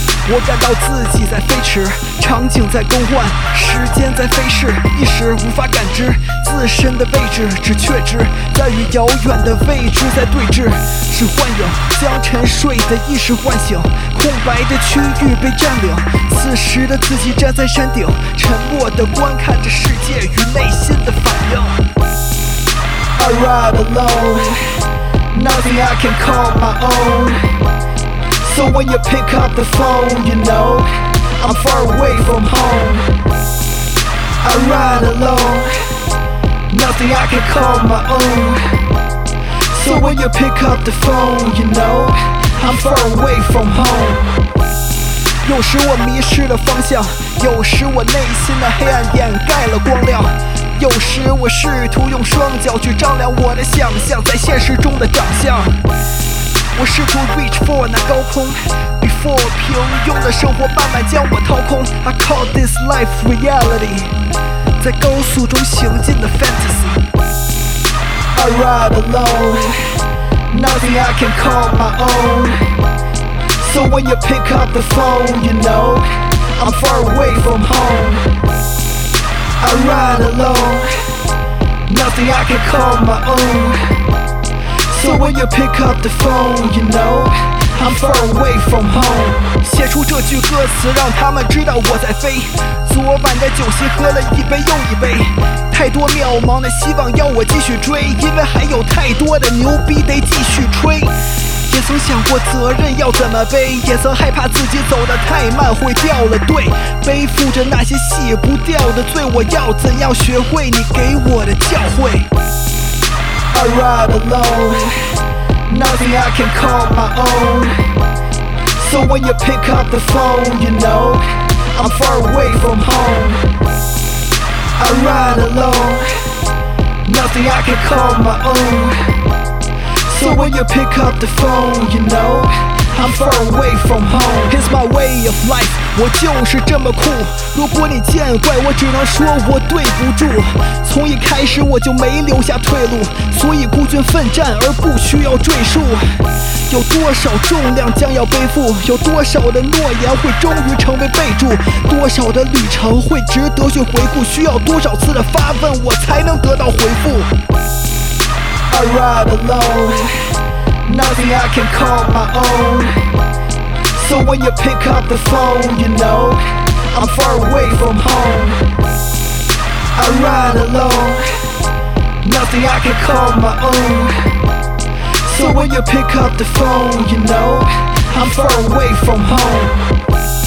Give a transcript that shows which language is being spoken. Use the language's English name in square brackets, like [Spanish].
[Chinese] 我感到自己在飞驰，场景在更换，时间在飞逝，一时无法感知自身的位置，只确知在与遥远的未知在对峙，是幻影将沉睡的意识唤醒，空白的区域被占领，此时的自己站在山顶，沉默地观看着世界与内心的反应。 [English] I ride alone, nothing I can call my own, so when you pick up the phone, you know I'm far away from home. I ride alone, nothing I can call my own, so when you pick up the phone, you know I'm far away from home. [Chinese] 有时我迷失了方向，有时我内心的黑暗掩盖了光亮，有时我试图用双脚去丈量我的想象在现实中的长相，我试图 [English] reach for [Chinese] 那高空， before 平庸的生活慢慢将我掏空。 [English] I call this life reality， [Chinese] 在高速中行进的 [English] fantasy。 I ride alone, nothing I can call my own, so when you pick up the phone, you know I'm far away from home. I ride alone, nothing I can call my own, so when you pick up the phone, you know I'm far away from home. [Chinese] 写出这句歌词让他们知道我在飞，昨晚的酒席喝了一杯又一杯，太多渺茫的希望要我继续追，因为还有太多的牛逼得继续吹。也曾想过责任要怎么背，也曾害怕自己走得太慢会掉了队，背负着那些洗不掉的罪，我要怎样学会你给我的教诲。 [English] I ride alone, nothing I can call my own, so when you pick up the phone, you know I'm far away from home. I ride alone, nothing I can call my own, so when you pick up the phone, you know I'm far away from home. It's my way of life, [Chinese] 我就是这么酷，如果你见怪我只能说我对不住，从一开始我就没留下退路，所以孤军奋战而不需要赘述。有多少重量将要背负，有多少的诺言会终于成为备注，多少的旅程会值得去回顾，需要多少次的发问我才能得到回复。 [English] I ride alone, nothing I can call my own, so when you pick up the phone, you know I'm far away from home. I ride alone, nothing I can call my own, so when you pick up the phone, you know I'm far away from home.